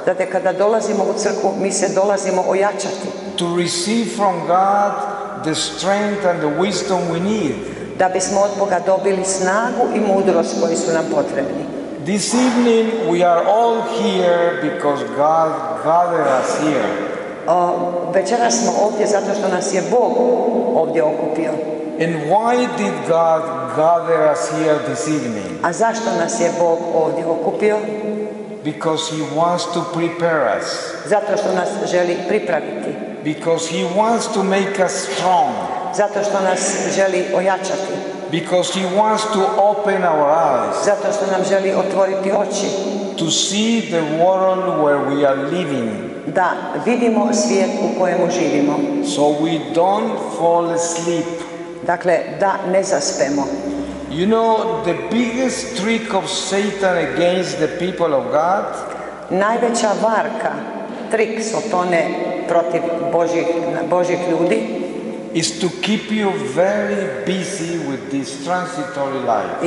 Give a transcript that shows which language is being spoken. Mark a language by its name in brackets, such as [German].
[Croatian] Zato kada dolazimo u crkvu, mi se dolazimo ojačati. [English] To receive from God the strength and the wisdom we need. [Croatian] Da bismo od Boga dobili snagu i mudrost koji su nam potrebni. [English] This evening we are all here because God gathered us here. [Croatian] Večeras smo ovdje zato što nas je Bog ovdje okupio. [English] And why did God gather us here this evening? [Croatian] A zašto nas je Bog ovdje okupio? [English] Because he wants to prepare us. [Croatian] Zato što nas želi pripraviti. [English] Because he wants to make us strong. [Croatian] Zato što nas želi ojačati. [English] Because he wants to open our eyes. [Croatian] Zato što nam želi otvoriti oči. [English] To see the world where we are living. [Croatian] da vidimo svijet u kojemu živimo. [English] So we don't fall asleep. [Croatian] Dakle, da ne zaspemo. [English] You know, the biggest trick of Satan against the people of God? [Croatian] Najveća varka, trik Sotone protiv Božih ljudi, [English] is to keep you very busy with this transitory life.